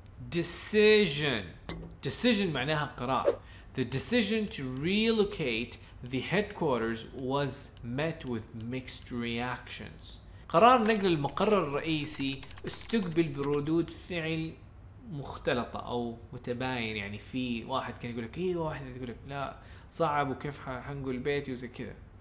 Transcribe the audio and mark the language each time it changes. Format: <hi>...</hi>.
<ar>Decision معناها قرار.</ar> <en>The decision to relocate the headquarters was met with mixed reactions.</en> <ar>قرار نقل المقر الرئيسي استقبل بردود فعل مختلطة أو متباين. يعني في واحد كان يقولك إيه، واحد يقولك لا صعب وكيف حنقل بيتي وزي كذا.</ar>